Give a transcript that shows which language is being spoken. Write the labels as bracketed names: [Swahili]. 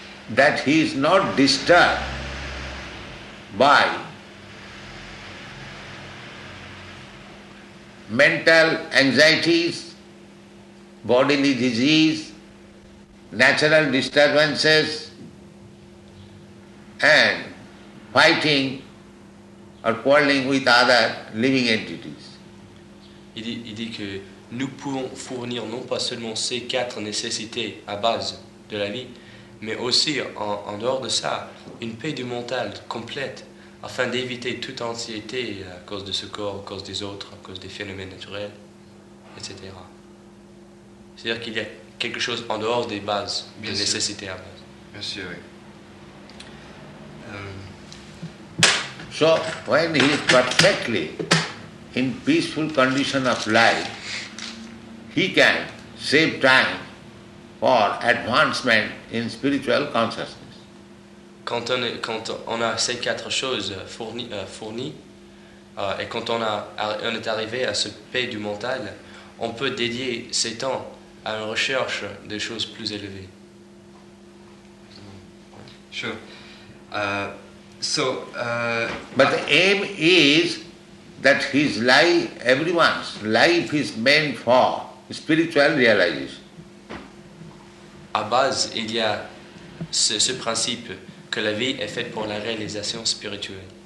[English] That he is not disturbed by mental anxieties, bodily disease, natural disturbances, and fighting or quarreling with other living entities. [French] Il dit que nous pouvons fournir non pas seulement ces quatre nécessités à base de la vie, mais aussi en dehors de ça, une paix du mental complète. Afin d'éviter toute anxiété à cause de ce corps, à cause des autres, à cause des phénomènes naturels, etc. C'est-à-dire qu'il y a quelque chose en dehors des bases, des nécessités à base. Bien sûr, oui. [English] So, when he is perfectly in peaceful condition of life, he can save time for advancement in spiritual consciousness. [French] Quand on a ces quatre choses fournies, et quand on est arrivé à ce paix du mental, on peut dédier ces temps à une recherche des choses plus élevées. [English] Sure. But the aim is that his life, everyone's life, is meant for spiritual realization. [French] À base, il y a ce principe. Que la vie est faite pour la réalisation spirituelle.